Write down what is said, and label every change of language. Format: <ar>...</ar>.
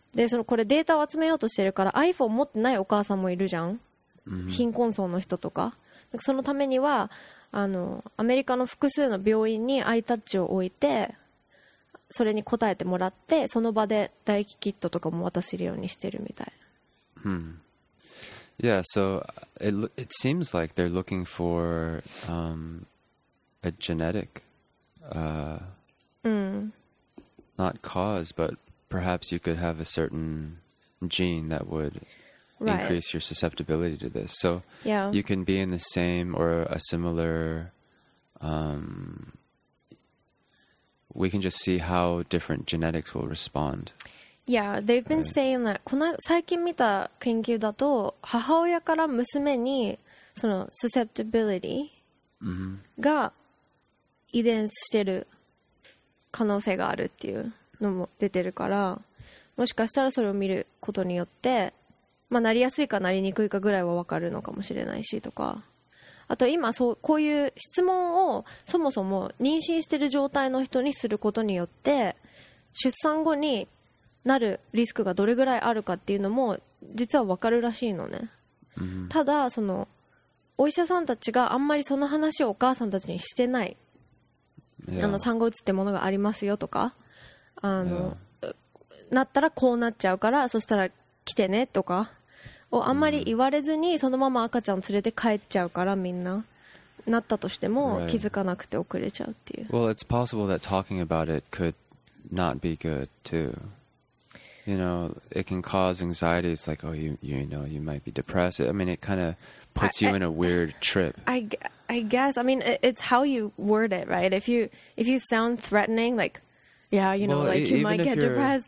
<ja>でそのこれデータを集めようとしてるから、 iPhone 持ってないお母さんもいるじゃん、 mm-hmm. 貧困層の人とか、そのためにはあのアメリカの複数の病院にアイタッチを置いて、それに答えてもらって、その場で唾液キットとかも渡せるようにしてるみたい。 Hmm.</ja> <en>Yeah, so it seems like they're looking for a genetic not cause, but perhaps you could have a certain gene that would increase your susceptibility to this. So yeah. you can be in the same or a similar we can just see how different genetics will respond. Yeah, they've been saying that.</en> <ja>この最近見た研究だと、母親から娘にその susceptibility が遺伝してる可能性があるっていうのも出てるから、もしかしたらそれを見ることによって、まあなりやすいかなりにくいかぐらいは分かるのかもしれないしとか。あと今そうこういう質問をそもそも妊娠してる状態の人にすることによって、出産後になるリスクがどれぐらいあるかっていうのも実は分かるらしいのね。ただそのお医者さんたちがあんまりその話をお母さんたちにしてない、あの産後うつってものがありますよとか、あのなったらこうなっちゃうからそしたら来てねとかをあんまり言われずに、そのまま赤ちゃん連れて帰っちゃうから、みんななったとしても気づかなくて遅れちゃうっていう。</ja> <en>Well, it's possible that talking about it could not be good too. You know, it can cause anxiety. It's like, oh, you know, you might be depressed. I mean, it kind of puts you in a weird trip. I guess. I mean, it's how you word it, right? If you sound threatening, like, yeah, you know, like you might get depressed.</en>